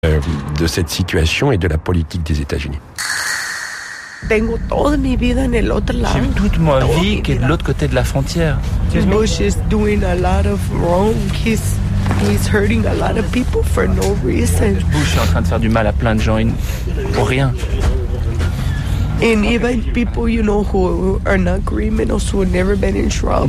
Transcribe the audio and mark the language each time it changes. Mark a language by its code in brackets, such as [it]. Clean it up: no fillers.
[fr] de cette situation et de la politique des États-Unis. [es] Tengo toda mi vida en el otro lado. [fr] J'ai toute ma vie qui est de l'autre côté de la frontière. [en] Bush is doing a lot of wrong. He's hurting a lot of people for no reason. [fr] Bush est en train de faire du mal à plein de gens pour rien. [en] And even people, you know, who are not criminals, who have never been in trouble.